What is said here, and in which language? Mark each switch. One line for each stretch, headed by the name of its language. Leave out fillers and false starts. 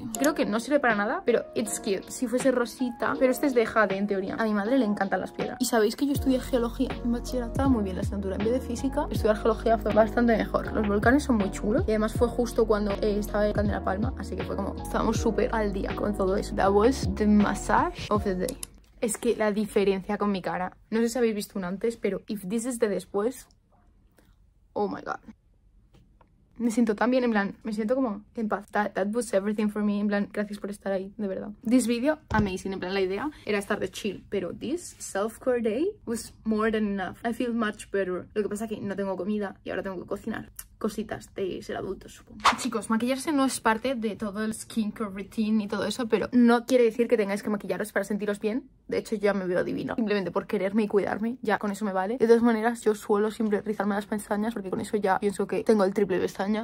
Spanish: Creo que no sirve para nada, pero
English: it's cute.
Spanish: Si fuese rosita, pero este es de jade en teoría. A mi madre le encantan las piedras. Y sabéis que yo estudié geología en bachillerato. Estaba muy bien la asignatura. En vez de física, estudiar geología fue bastante mejor. Los volcanes son muy chulos. Y además fue justo cuando estaba el volcán de La Palma. Así que fue como, estábamos súper al día con todo eso.
English: That was the massage of the day.
Spanish: Es que la diferencia con mi cara. No sé si habéis visto un antes, pero
English: if this is the
Spanish: después...
English: Oh my god.
Spanish: Me siento tan bien, en plan, me siento como en paz.
English: That was everything for me,
Spanish: en plan, gracias por estar ahí, de verdad.
English: This video, amazing,
Spanish: en plan, la idea era estar de chill, pero
English: this self-care day was more than enough. I feel much better.
Spanish: Lo que pasa es que no tengo comida y ahora tengo que cocinar cositas de ser adulto, supongo. Chicos, maquillarse no es parte de todo el skincare routine y todo eso, pero no quiere decir que tengáis que maquillaros para sentiros bien. De hecho, ya me veo divino. Simplemente por quererme y cuidarme, ya con eso me vale. De todas maneras, yo suelo siempre rizarme las pestañas porque con eso ya pienso que tengo el triple pestaña.